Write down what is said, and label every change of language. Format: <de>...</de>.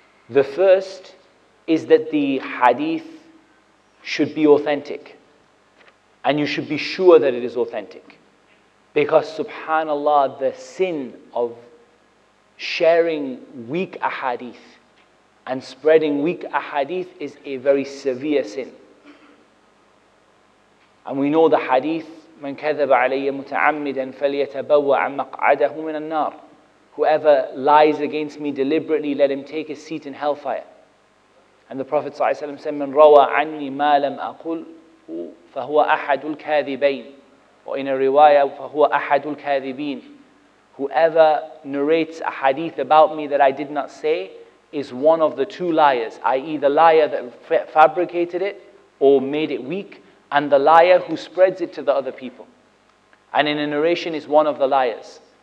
<en>The first is that the hadith should be authentic, and you should be sure that it is authentic, because subhanallah, the sin of sharing weak ahadith and spreading weak ahadith is a very severe sin. And we know the hadith,</en> <ar>مَنْ كَذَبَ عَلَيَّ مُتَعَمِّدًا فَلْيَتَبَوَّعَ مَقْعَدَهُ مِنَ النَّارِ.</ar> <en>Whoever lies against me deliberately, let him take his seat in hellfire. And the Prophet ﷺ said,</en> <ar>مَنْ رَوَى عَنِّي مَا لَمْ أَقُلْهُ فَهُوَ أَحَدُ الْكَاذِبَيْنِ.</ar> <en>Or in a riwayah,</en> <ar>فَهُوَ أَحَدُ الْكَاذِبِينَ.</ar> <en>Whoever narrates a hadith about me that I did not say is one of the two liars, i.e. the liar that fabricated it or made it weak, and the liar who spreads it to the other people. And in a narration is one of the liars.</en>